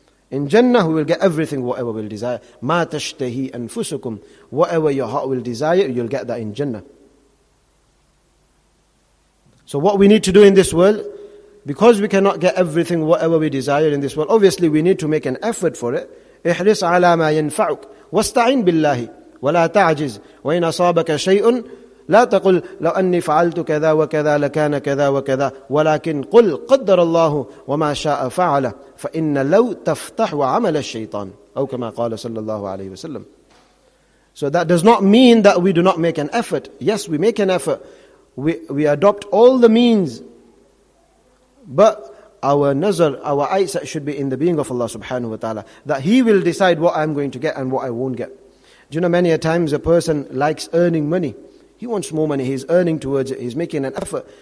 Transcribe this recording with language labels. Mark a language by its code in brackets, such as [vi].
[en] In Jannah, we will get everything, whatever we'll desire. [ar] مَا تَشْتَهِي أَنفُسُكُمْ [en] Whatever your heart will desire, you'll get that in Jannah. So what we need to do in this world, because we cannot get everything, whatever we desire in this world, obviously we need to make an effort for it. [ar] احرص على ما ينفعك واستعين بالله ولا تعجز وإن أصابك شيء لا تقل لو أني فعلت كذا وكذا لكان كذا وكذا ولكن قل قدر الله وما شاء فعله فإن لو تفتح وعمل الشيطان أو كما قال صلى الله عليه وسلم. [en] So that does not mean that we do not make an effort. Yes, we make an effort. We adopt all the means. But our nazar, our eyesight should be in the being of Allah subhanahu wa ta'ala. That He will decide what I'm going to get and what I won't get. Do you know many a times a person likes earning money. He wants more money. He's earning towards it. He's making an effort.